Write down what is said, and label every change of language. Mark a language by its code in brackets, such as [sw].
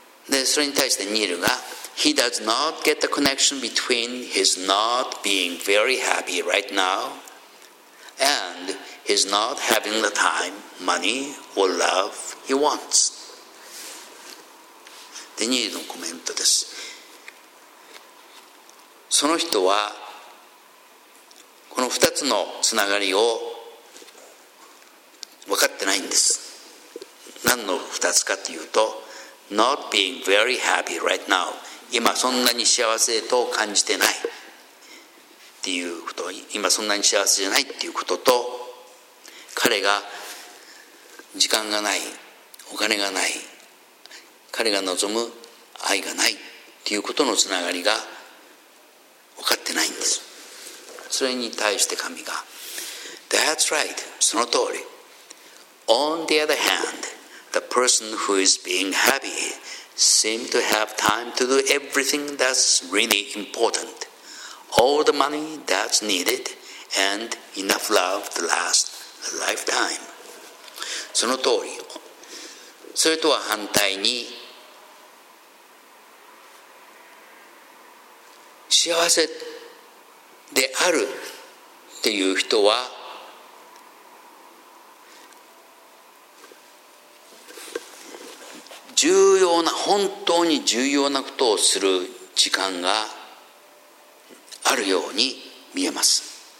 [ja] で、それに対してニールが、 [en] He does not get the connection between his not being very happy right now and his not having the time, money, or love he wants. [ja] デニールのコメントです。その人はこの2つのつながりを分かってないんです。何の2つかというと、 [en] not being very happy right now。 [ja] 今そんなに幸せと感じてないっていうこと、今そんなに幸せじゃないっていうことと、彼が時間がない、お金がない、彼が望む愛がないということのつながりが分かってないんです。それに対して神が、 [en] That's right, [ja] その通り。 [en] On the other hand, the person who is being happy seems to have time to do everything that's really important, all the money that's needed, and enough love to last a lifetime. [ja] その通り。それとは反対に、幸せであるっていう人は重要な本当に重要なことをする時間があるように見えます。